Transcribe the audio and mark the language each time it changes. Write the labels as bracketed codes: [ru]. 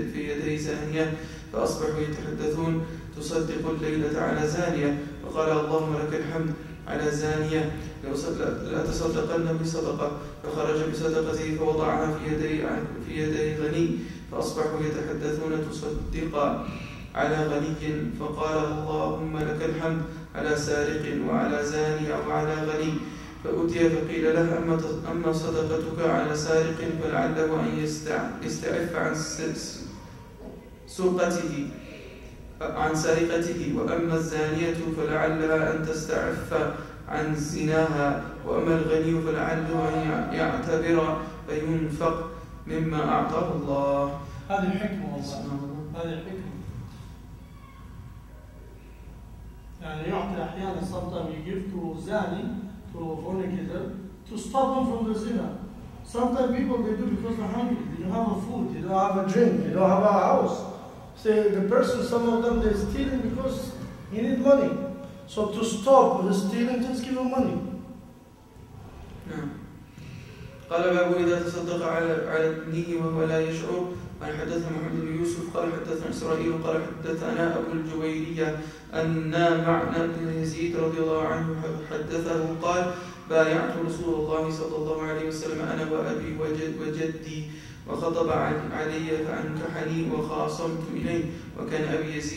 [ar] يدي زانية فأصبحوا يتحدثون تصدق الليلة على زانية فقال اللهم لك الحمد على زانية لا تصدقن بصدقة فخرج بصدقته فوضعها في يدي غني فأصبحوا يتحدثون تصدق على غني فقال اللهم لك الحمد على سارق وعلى زاني أو على غني فأتي فقيل له أما صدقتك على سارق فلعله أن يستعف عن سرقته عن سرقته وأما الزانية فلعلها أن تستعف عن زناها وأما الغني فلعله أن يعتبر فينفق مما أعطاه الله. هذه الحكمة والله هذه الحكمة يعني يعطي أحيانا [en] sometimes you give to زاني to fornicator to stop them from the zina. Sometimes people they do because they're hungry, they don't have a food, they don't have a drink, they don't have a house. Say the person, some of them they're stealing because he need money. So to stop the stealing, just give him money. [ar] قال أبو إذا تصدق على نيه وهو لا يشعر. قال حدثنا محمد بن يوسف قال حدثنا إسرائيل قال حدثنا أبو الجويرية أن معنى بن يزيد رضي الله عنه حدثه قال بايعت رسول الله صلى الله عليه وسلم أنا وأبي وجدي وخطب علي فأنكحني وخاصمت إليه وكان أبي